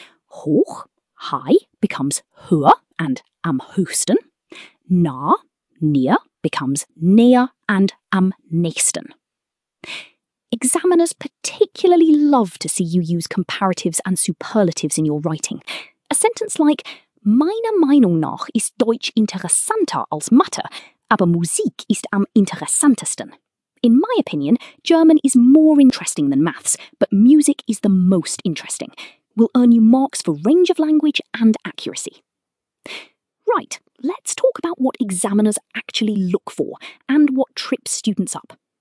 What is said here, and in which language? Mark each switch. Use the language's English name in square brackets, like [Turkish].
[English] Hoch, high becomes höher and am höchsten. Nah, near becomes näher and am nächsten. Examiners particularly love to see you use comparatives and superlatives in your writing. A sentence like [German] "Meiner Meinung nach ist Deutsch interessanter als Mathe, aber Musik ist am interessantesten." [English] In my opinion, German is more interesting than maths, but music is the most interesting. Will earn you marks for range of language and accuracy. Right, let's talk about what examiners actually look for and what trips students up.